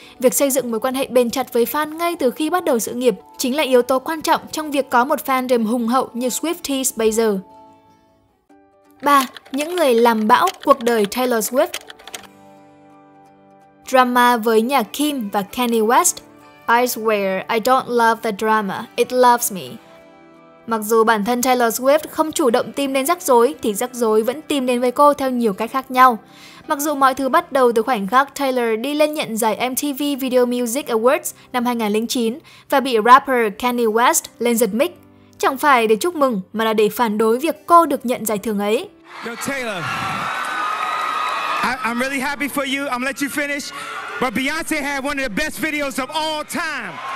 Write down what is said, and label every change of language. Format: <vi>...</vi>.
<vi>Việc xây dựng mối quan hệ bền chặt với fan ngay từ khi bắt đầu sự nghiệp chính là yếu tố quan trọng trong việc có một fandom hùng hậu như Swifties bây giờ. 3. Những người làm bão cuộc đời Taylor Swift. Drama với nhà Kim và Kanye West.</vi> <en>I swear I don't love the drama, it loves me.</en> <vi>Mặc dù bản thân Taylor Swift không chủ động tìm đến rắc rối, thì rắc rối vẫn tìm đến với cô theo nhiều cách khác nhau. Mặc dù mọi thứ bắt đầu từ khoảnh khắc Taylor đi lên nhận giải MTV Video Music Awards năm 2009 và bị rapper Kanye West lên giật mic, chẳng phải để chúc mừng mà là để phản đối việc cô được nhận giải thưởng ấy.</vi> <en>Yo, Taylor, I'm really happy for you. I'm let you finish. But Beyonce had one of the best videos of all time.</en>